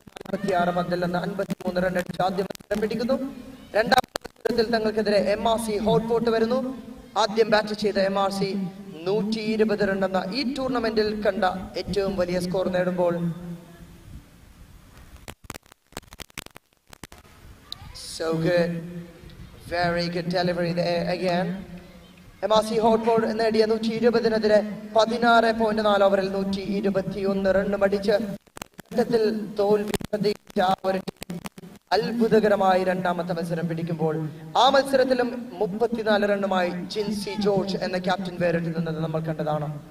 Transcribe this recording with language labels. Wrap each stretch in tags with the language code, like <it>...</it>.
<ml>46 പന്തിൽ നിന്ന് 53 റൺ അടിച്ച് ആദ്യ മത്സരം പിടിക്കുന്നു. രണ്ടാമത്തെ മത്സരത്തിൽ തങ്ങൾക്കെതിരെ എം ആർ സി ഹോട്ട്പോട്ട് വരുന്നു. ആദ്യം ബാറ്റ് ചെയ്ത എം ആർ സി 120 റൺ എന്ന ഈ ടൂർണമെന്റിൽ കണ്ട ഏറ്റവും വലിയ score നേടുമ്പോൾ.</ml> <en>So good, very good delivery there again.</en> <ml>MRC Hotford നേടിയ 120-നെതിരെ 16.4 ഓവറിൽ 121 റണ്ണും അടിച്ച് ഘട്ടത്തിൽ തോൽവി പ്രതീക്ഷിച്ച ഒരു അത്ഭുതകരമായി രണ്ടാമത്തെ മത്സരം പിടിക്കുമ്പോൾ. ആ മത്സരത്തിലും 34 റണ്ണുമായി ജിൻസി ജോർജ് എന്ന ക്യാപ്റ്റൻ വേറിട്ട് നിന്നത് നമ്മൾ കണ്ടതാണ്.</ml>